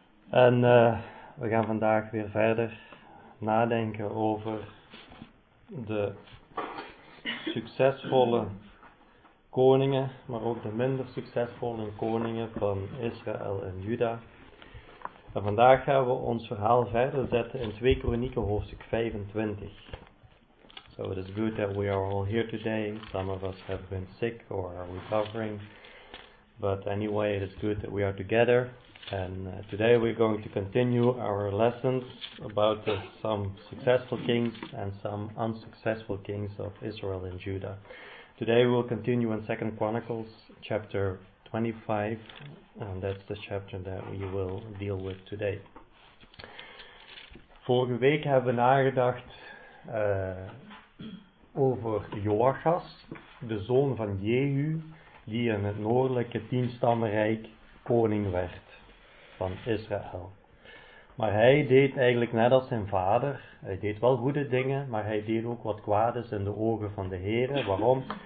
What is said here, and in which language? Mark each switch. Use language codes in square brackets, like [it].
[nl] En we gaan vandaag weer verder nadenken over de succesvolle koningen, maar ook de minder succesvolle koningen van Israël en Juda. En vandaag gaan we ons verhaal verder zetten in 2 Kronieken hoofdstuk 25. [en] So it is good that we are all here today. Some of us have been sick or are recovering. But anyway, it is good that we are together. And today we're going to continue our lessons about some successful kings and some unsuccessful kings of Israel and Judah. Today we'll continue in 2 Chronicles chapter 25. And that's the chapter that we will deal with today. [nl] Vorige week hebben we nagedacht over Joachas, de zoon van Jehu, die in het noordelijke tienstammenrijk koning werd van Israël. Maar hij deed eigenlijk net als zijn vader, hij deed wel goede dingen, maar hij deed ook wat kwaades in de ogen van de Heere. Waarom?